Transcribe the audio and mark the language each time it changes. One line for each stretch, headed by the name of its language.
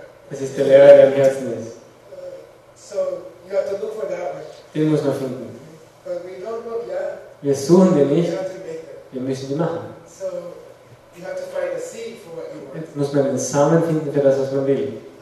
German: Es ist der Lehrer, der im Herzen ist.
English: So you have to look for that one.
German: Den muss man finden.
English: But we don't look yet.
German: Wir suchen den nicht. Wir müssen die machen.
English: So you have to find a seed for what you want.
German: Jetzt muss man den Samen finden für das, was man will.